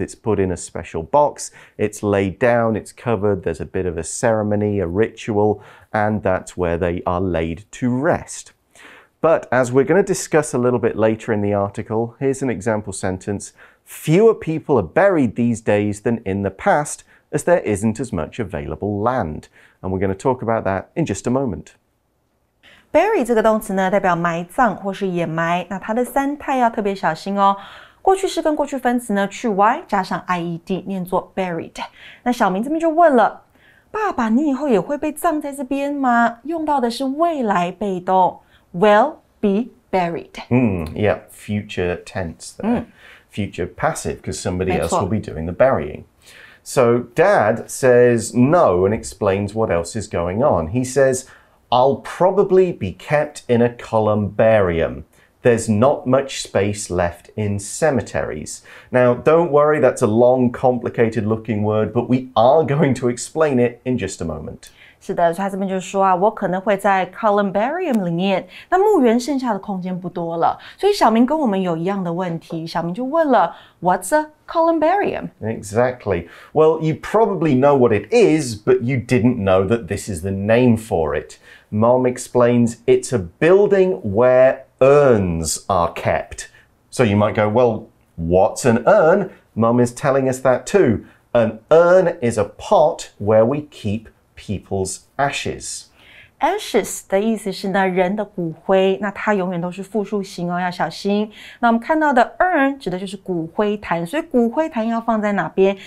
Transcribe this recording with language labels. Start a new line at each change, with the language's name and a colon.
English: It's put in a special box, it's laid down, it's covered, there's a bit of a ceremony, a ritual, and that's where they are laid to rest. But as we're going to discuss a little bit later in the article, here's an example sentence. Fewer people are buried these days than in the past, as there isn't as much available land. And we're going to talk about that in just a moment.
Chinese: Bury 这个动词呢，代表埋葬或是掩埋，那它的三态要特别小心哦。过去式跟过去分词呢，去 y 加上 ied， 念作 buried。那小明这边就问了，爸爸，你以后也会被葬在这边吗？用到的是未来被动 ，
English: will be buried。 Future tense, future passive, because somebody else will be doing the burying. So Dad says no and explains what else is going on. He says, I'll probably be kept in a columbarium. There's not much space left in cemeteries. Now, don't worry, that's a long, complicated looking word, but we are going to explain it in just a moment.
Chinese: 是的，所以他这边就是说啊，我可能会在 columbarium 里面，那墓园剩下的空间不多了。所以小明跟我们有一样的问题，小明就问了 ,
English: What's a columbarium? Exactly. Well, you probably know what it is, but you didn't know that this is the name for it. Mom explains, it's a building whereurns are kept. So you might go, well, what's an urn? Mum is telling us that too. An urn is a pot where we keep people's ashes.
Chinese: Ashes 的意思是呢人的骨灰，那它永远都是复数形哦，要小心。那我们看到的 urn 指的就是骨灰坛，所以骨灰坛要放在哪边？